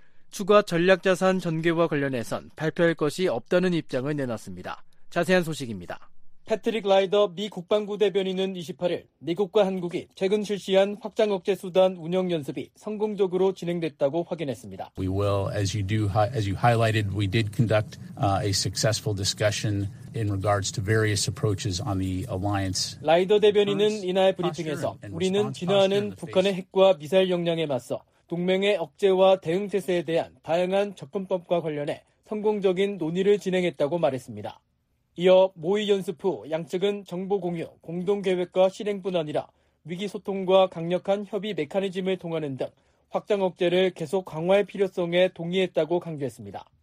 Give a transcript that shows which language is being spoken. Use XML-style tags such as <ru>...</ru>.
<ko>추가 전략자산 전개와 관련해선 발표할 것이 없다는 입장을 내놨습니다. 자세한 소식입니다. 패트릭 라이더 미 국방부 대변인은 28일 미국과 한국이 최근 실시한 확장 억제 수단 운영 연습이 성공적으로 진행됐다고 확인했습니다.</ko> <en>We will, as you highlighted, we did conduct a successful discussion in regards to various approaches on the alliance.</en> <ko>라이더 대변인은 이날 브리핑에서 우리는 진화하는 북한의 핵과 미사일 역량에 맞서 동맹의 억제와 대응 태세에 대한 다양한 접근법과 관련해 성공적인 논의를 진행했다고 말했습니다. 이어 모의 연습 후 양측은 정보 공유, 공동 계획과 실행뿐 아니라 위기 소통과 강력한 협의 메커니즘을 통하는 등 확장 억제를 계속 강화할 필요성에 동의했다고 강조했습니다.</ko>